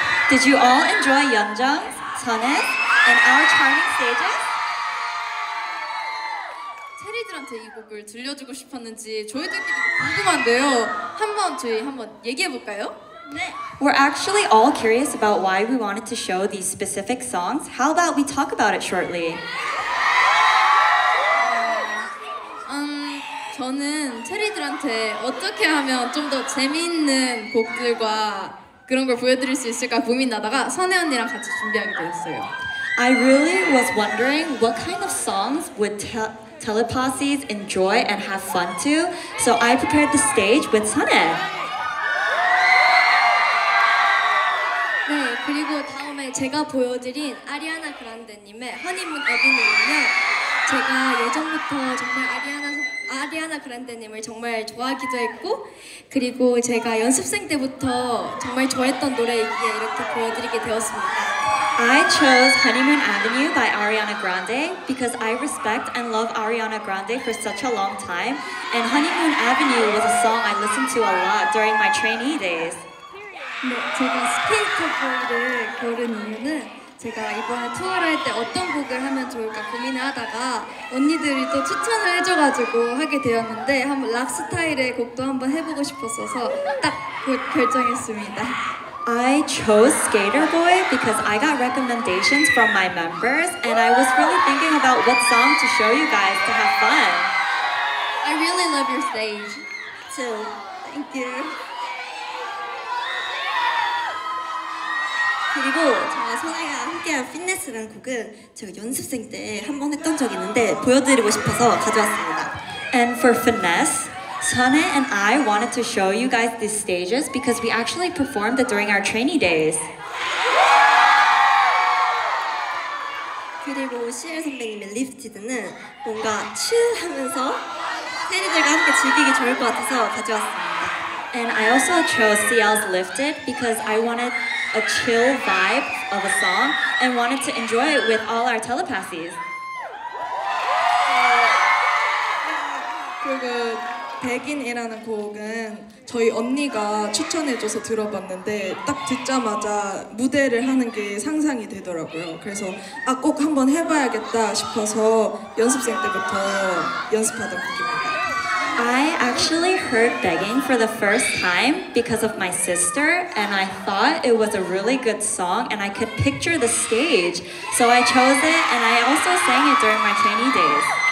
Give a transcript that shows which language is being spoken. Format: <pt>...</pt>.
<en>Did you all enjoy Yeonjung, Sonae, and our charming stages?</en> <ko>체리들한테 이 곡을 들려주고 싶었는지 저희들끼리 궁금한데요. 한번 얘기해 볼까요? 네.</ko> <en>We're actually all curious about why we wanted to show these specific songs. How about we talk about it shortly?</en> <ko>저는 체리들한테 어떻게 하면 좀 더 재미있는 곡들과 그런 걸 보여드릴 수 있을까 고민하다가 선혜 언니랑 같이 준비하게 되었어요.</ko> <en>I really was wondering what kind of songs would teleposses enjoy and have fun to. So I prepared the stage with 선혜.</en> <ko>네, 그리고 다음에 제가 보여드린 아리아나 그란데님의 허니문 어빈이면 제가 예전부터 정말 아리아나 그란데님을 정말 좋아하기도 했고 그리고 제가 연습생 때부터 정말 좋아했던 노래이기에 이렇게 보여드리게 되었습니다.</ko> <en>I chose Honeymoon Avenue by Ariana Grande because I respect and love Ariana Grande for such a long time and Honeymoon Avenue was a song I listened to a lot during my trainee days.</en> <ko>네, 제가 스케이트 보이를 고른 이유는 제가 이번에 투어를 할 때 어떤 곡을 하면 좋을까 고민을 하다가 언니들이 또 추천을 해줘가지고 하게 되었는데 한번 락 스타일의 곡도 한번 해보고 싶었어서 딱 곧 결정했습니다.</ko> <en>I chose Sk8er Boi because I got recommendations from my members and I was really thinking about what song to show you guys to have fun. I really love your stage. So, thank you.</en> <ko>그리고 저와 선혜가 함께한 Finesse라는 곡은 제가 연습생 때 한번 했던 적이 있는데 보여드리고 싶어서 가져왔습니다.</ko> <en>And for Finesse, 선혜 and I wanted to show you guys these stages because we actually performed it during our trainee days.</en> <ko>그리고 시엘 선배님의 Lifted는 뭔가 추하면서 세리들과 함께 즐기기 좋을 것 같아서 가져왔습니다.</ko> <en>And I also chose CL's Lifted because I wanted a chill vibe of a song and wanted to enjoy it with all our telepathies.</en> <ko>그리고 Beggin이라는 곡은 저희 언니가 추천해줘서 들어봤는데 딱 듣자마자 무대를 하는 게 상상이 되더라고요. 그래서 아, 꼭 한번 해봐야겠다 싶어서 연습생 때부터 연습하던 곡입니다.</ko> <en>I actually heard Beggin for the first time because of my sister, and I thought it was a really good song and I could picture the stage. So I chose it and I also sang it during my trainee days.</en>